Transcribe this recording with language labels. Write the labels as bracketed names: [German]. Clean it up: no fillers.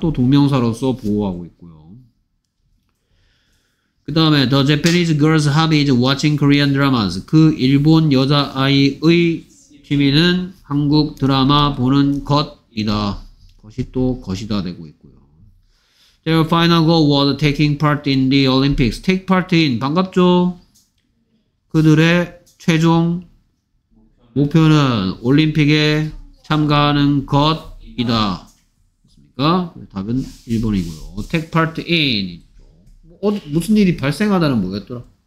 [Korean] 또 동명사로서 보호하고 있고요. 그 다음에 [English] The Japanese girl's hobby is watching Korean dramas. [Korean] 그 일본 여자아이의 취미는 한국 드라마 보는 것이다. 것이 또 것이다 되고 있고요. [English] Their final goal was taking part in the Olympics. Take part in. [Korean] 반갑죠? 그들의 최종 목표는 올림픽에 참가하는 것이다. 맞습니까? 답은 1번이고요. [English] Take part in. [Korean] 어, 무슨 일이 발생하다는 뭐였더라?